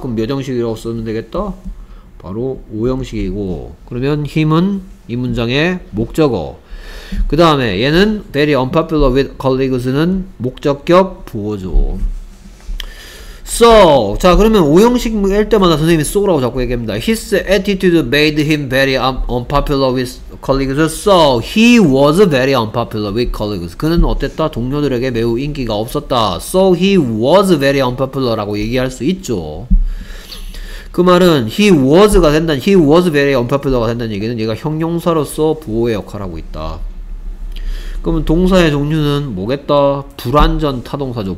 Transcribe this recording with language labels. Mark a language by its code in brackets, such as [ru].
[ko] 그럼 몇 형식이라고 쓰면 되겠다? 바로 5형식이고 그러면 힘은 이 문장의 목적어. 그 다음에 얘는 [en] very unpopular with colleagues [ko] 는 목적격 부호죠. So, 자 그러면 5형식일 때마다 선생님이 so라고 자꾸 얘기합니다. [en] His attitude made him very unpopular with colleagues. So, he was very unpopular with colleagues. [ko] 그는 어땠다? 동료들에게 매우 인기가 없었다. [en] So, he was very unpopular라고 [ko] 얘기할 수 있죠. 그 말은 he was가 된다는, [en] he was very unpopular [ko] 가 된다는 얘기는 얘가 형용사로서 보호의 역할을 하고 있다. 그러면 동사의 종류는 뭐겠다? 불완전 타동사죠.